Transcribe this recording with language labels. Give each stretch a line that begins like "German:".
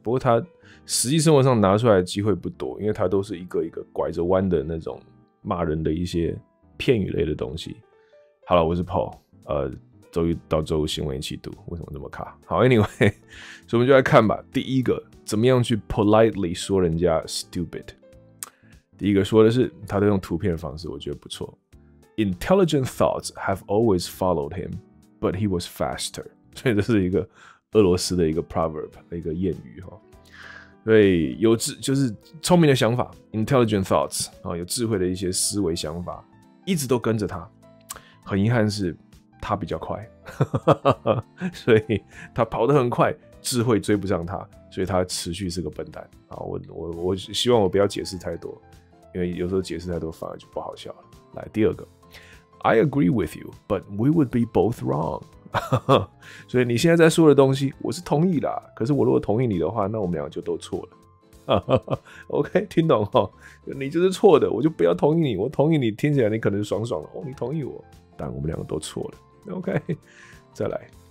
Chinese: 不过他实际生活上拿出来的机会不多，因为他都是一个一个拐着弯的那种骂人的一些片语类的东西。好了，我是 Paul， 周一到周五新闻一起读，为什么这么卡？好 ，Anyway， 所以我们就来看吧。第一个，怎么样去 politely 说人家 stupid？第一个说的是，他都用图片的方式，我觉得不错。
English: Intelligent thoughts have always followed him, but he was faster.
Chinese: 所以这是一个俄罗斯的一个 proverb， 一个谚语哈。所以有智就是聪明的想法 ，
English: intelligent thoughts
Chinese: 啊，有智慧的一些思维想法，一直都跟着他。很遗憾是，他比较快，所以他跑得很快。智慧追不上他，所以他持续是个笨蛋。好， 我希望我不要解释太多，因为有时候解释太多反而就不好笑了。来第二个
English: ，I agree with you, but we would be both wrong 。
Chinese: 所以你现在在说的东西，我是同意啦。可是我如果同意你的话，那我们两个就都错了。 OK， 听懂哈？你就是错的，我就不要同意你。我同意你，听起来你可能爽爽的哦，你同意我，但我们两个都错了。 OK， 再来。